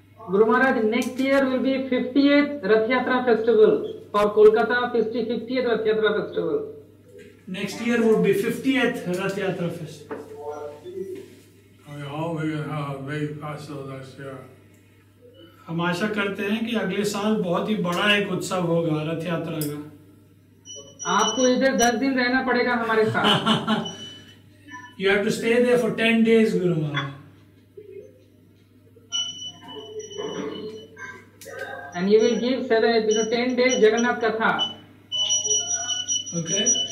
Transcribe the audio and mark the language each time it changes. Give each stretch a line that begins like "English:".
English: Guru Maharaj, next year will be 50th Ratha-yatra festival for Kolkata, 50th Ratha-yatra festival. Next year would be 50th Ratha-yatra festival. We all will have a very festival next year.
Hindi: हम आशा करते हैं कि अगले साल बहुत ही बड़ा एक उत्सव होगा रथ यात्रा का. आपको इधर 10 दिन रहना पड़ेगा हमारे साथ.
English: You have to stay there for 10 days, Guru Maharaj. And you will give 10 days Jagannath katha. Okay.